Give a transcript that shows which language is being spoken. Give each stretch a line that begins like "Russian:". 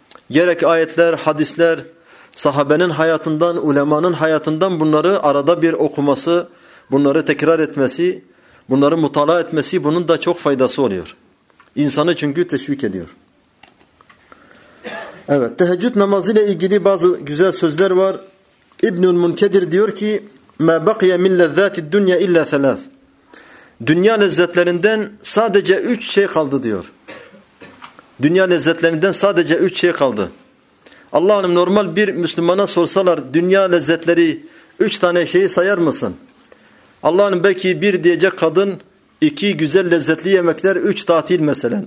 Turkish: Gerek ayetler, hadisler, sahabenin hayatından, ulemanın hayatından bunları arada bir okuması, bunları tekrar etmesi, bunları mutalaa etmesi, bunun da çok faydası oluyor. İnsanı çünkü teşvik ediyor. Evet, teheccüd namazı ile ilgili bazı güzel sözler var. İbnül Münkedir diyor ki,
Arabic: مَا بَقِيَ مِنْ لَذَّاتِ الدُّنْيَا اِلَّا ثَلَاثِ.
Turkish: Dünya lezzetlerinden sadece üç şey kaldı diyor. Dünya lezzetlerinden sadece üç şey kaldı. Allah'ım, normal bir Müslümana sorsalar dünya lezzetleri üç tane şeyi sayar mısın? Allah'ım, belki bir diyecek kadın, iki güzel lezzetli yemekler, üç tatil mesela.